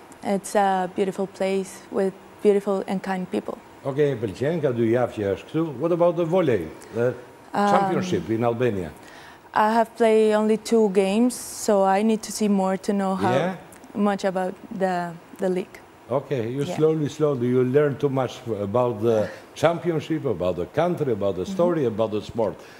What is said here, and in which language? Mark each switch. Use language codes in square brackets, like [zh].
[en] It's a beautiful place with beautiful and kind people. [sq] Okay, pëlqen, ka dy javë që është këtu. [en] What about the volley, the championship in Albania? I have played only 2 games, so I need to see more to know how much about the league. Okay, you slowly, you learn too much about the championship, about the country, about the story, about the sport.